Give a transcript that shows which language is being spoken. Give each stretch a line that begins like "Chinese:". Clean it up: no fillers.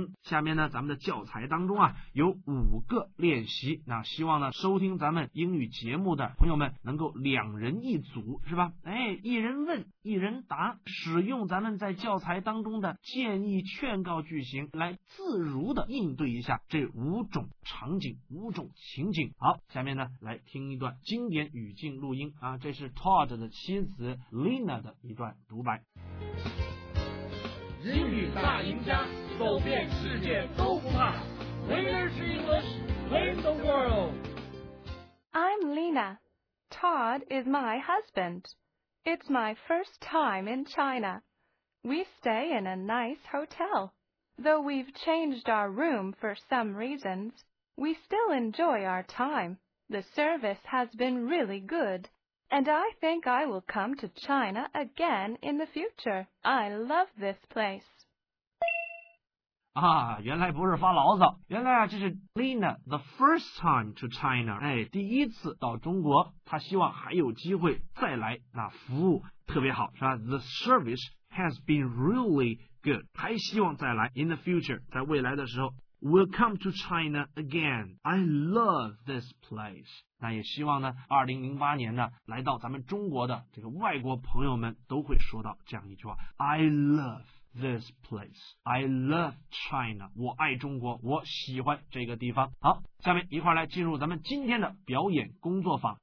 Chinese: 下面呢咱们的教材当中啊有五个练习，那希望呢收听咱们英语节目的朋友们能够两人一组是吧，一人问一人答，使用咱们在教材当中的建议劝告句型来自如的应对一下这五种场景五种情景。好，下面呢来听一段经典语境录音啊，这是 Todd 的妻子 Lena 的一段独白。英语大赢家，走遍世界都不怕。
English: Winners English, win the world. I'm Lena. Todd is my husband. It's my first time in China. We stay in a nice hotel. Though we've changed our room for some reasons, we still enjoy our time. The service has been really good. And I think I will come to China again in the future. I love this place.
Chinese: 啊，原来不是发牢骚，原来啊，这是 Lena
English: the first time to China.
Chinese: 第一次到中国，她希望还有机会再来，那服务特别好，是吧？
English: The service has been really good.
Chinese: 还希望再来
English: in the future,
Chinese: 在未来的时候。
English: We'll come to China again. I love this place.
Chinese: 那也希望呢2008年呢来到咱们中国的这个外国朋友们都会说到这样一句话。
English: I love this place. I love China.
Chinese: 我爱中国，我喜欢这个地方。好，下面一块来进入咱们今天的表演工作坊。